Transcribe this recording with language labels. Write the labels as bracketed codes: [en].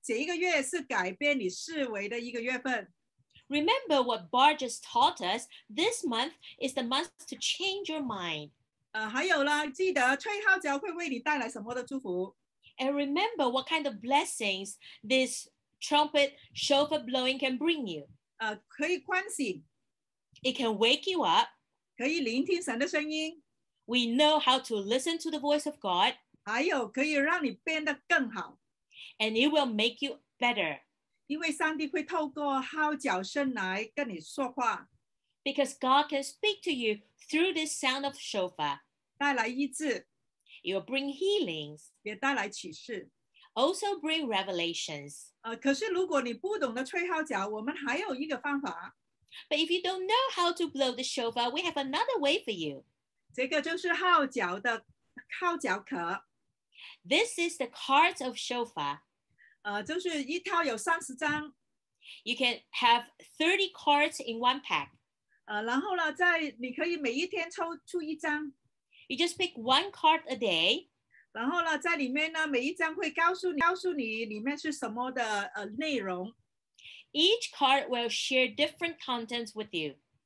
[zh] 因为记得刚才Bart教导我们，这一个月是改变你思维的一个月份。 [en] Remember what Bart just taught us, this month is the month to change your mind. [zh] 还有啦，记得吹号角会为你带来什么的祝福。 [en] And remember what kind of blessings this trumpet shofar blowing can bring you. [zh] 可以关心, [en] it can wake you up. [zh] 可以聆听神的声音, [en] we know how to listen to the voice of God. [zh] 还有可以让你变得更好, [en] and it will make you better. [zh] 因为上帝会透过号角声来跟你说话, [en] because God can speak to you through this sound of shofar. [zh] 带来医治, [en] it will bring healings. [zh] 也带来启示, [en] also bring revelations. [zh] 可是如果你不懂得吹号角，我们还有一个方法。 [en] But if you don't know how to blow the shofar, we have another way for you. [zh] 这个就是号角的号角壳。 [en] This is the cards of shofar. [zh] 就是一套有30张。 [en] You can have 30 cards in one pack. [zh] 然后呢，你可以每一天抽出一张。 [en] You just pick one card a day. [zh] 然后呢，在里面呢，每一张会告诉你里面是什么的内容。 [en] Each card will share different contents with you.